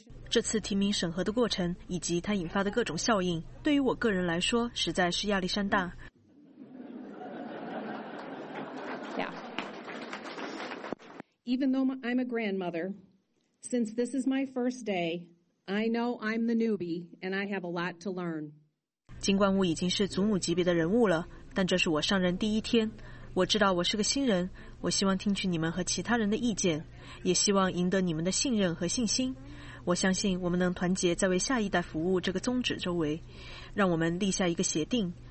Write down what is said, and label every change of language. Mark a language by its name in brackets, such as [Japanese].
[Chinese] 这次提名审核的过程以及它引发的各种效应，对于我个人来说实在是压力山大。 [English] Even though I'm a grandmother, since this is my first day, I know I'm the newbie and I have a lot to learn. [Chinese] 尽管我已经是祖母级别的人物了，但这是我上任第一天，我知道我是个新人，我希望听取你们和其他人的意见，也希望赢得你们的信任和信心。我相信我们能团结在为下一代服务这个宗旨周围，让我们立下一个协定。